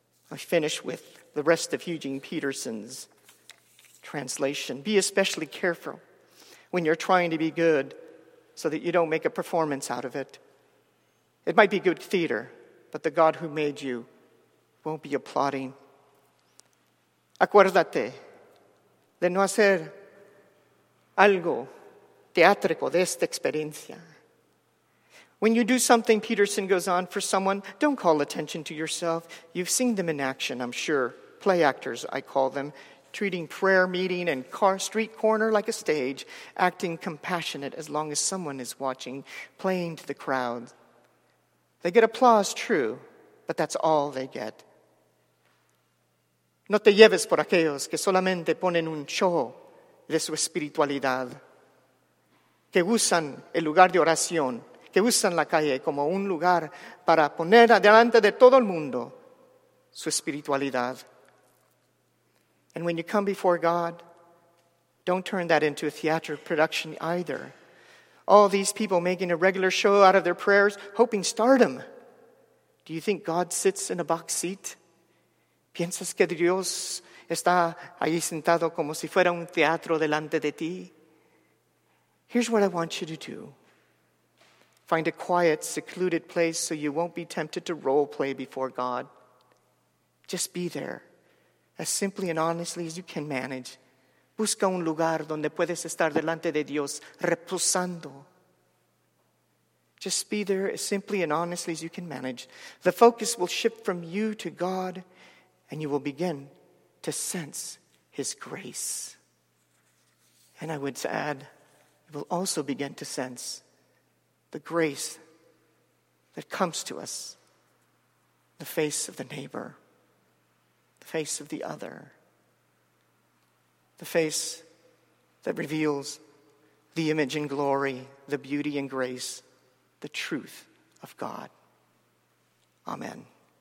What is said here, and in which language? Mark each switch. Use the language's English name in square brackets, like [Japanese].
[English] I finish with the rest of Eugene Peterson's translation. Be especially careful when you're trying to be good so that you don't make a performance out of it. It might be good theater, but the God who made you won't be applauding. [Spanish] Acuérdate de no hacer algo teatrico de esta experiencia. [English] When you do something, Peterson goes on, for someone, don't call attention to yourself. You've seen them in action, I'm sure. Play actors, I call them. Treating prayer meeting and car street corner like a stage, acting compassionate as long as someone is watching, playing to the crowd. They get applause, true, but that's all they get. [Spanish] No te lleves por aquellos que solamente ponen un show de su espiritualidad, que usan el lugar de oración, que usan la calle como un lugar para poner adelante de todo el mundo su espiritualidad. [English] And when you come before God, don't turn that into a theatric production either. All these people making a regular show out of their prayers, hoping stardom. Do you think God sits in a box seat? [Spanish] ¿Piensas que Dios está ahí sentado como si fuera un teatro delante de ti? [English] Here's what I want you to do. Find a quiet, secluded place so you won't be tempted to role play before God. Just be there. As simply and honestly as you can manage. [Spanish] Busca un lugar donde puedes estar delante de Dios reposando. [English] Just be there as simply and honestly as you can manage. The focus will shift from you to God, and you will begin to sense His grace. And I would add, you will also begin to sense the grace that comes to us, the face of the neighbor, the face of the other, the face that reveals the image and glory, the beauty and grace, the truth of God. Amen.